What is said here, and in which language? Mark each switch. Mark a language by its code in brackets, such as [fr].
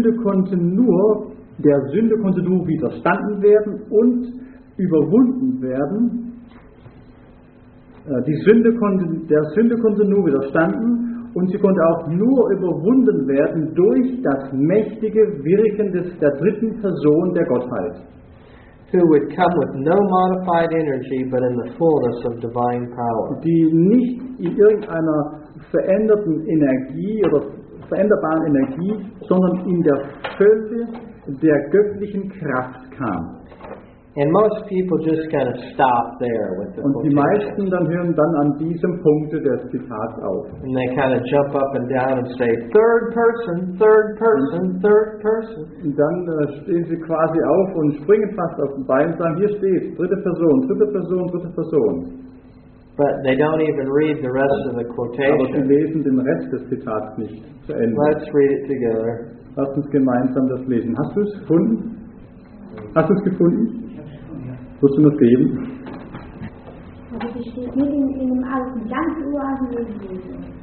[de] Der Sünde konnte nur widerstanden werden und überwunden werden. Der Sünde konnte nur widerstanden und sie konnte auch nur überwunden werden durch das mächtige Wirken der dritten Person der Gottheit. [en] Who would come with no modified energy, but in the fullness of divine power. [de] Die nicht in irgendeiner veränderten Energie oder veränderbaren Energie, sondern in der Fülle der göttlichen Kraft kam. [en] And most people just kind of stop there with the [de] Und die meisten dann hören dann an diesem Punkte der Zitat auf. [en] And they kind of jump up and down and say, third person, third person, third person. [de] Und dann stehen sie quasi auf und springen fast auf den Bein und sagen, hier steht, dritte Person, dritte Person, dritte Person. [en] But they don't even read the rest of the quotation. [de] Aber sie lesen den Rest des Zitats nicht zu Ende. [en] Let's read it together. [de] Lass uns gemeinsam das lesen. Hast du es gefunden? Hast du es gefunden? Willst du noch geben? Also es steht nicht in einem alten, ganz uralten Lesen.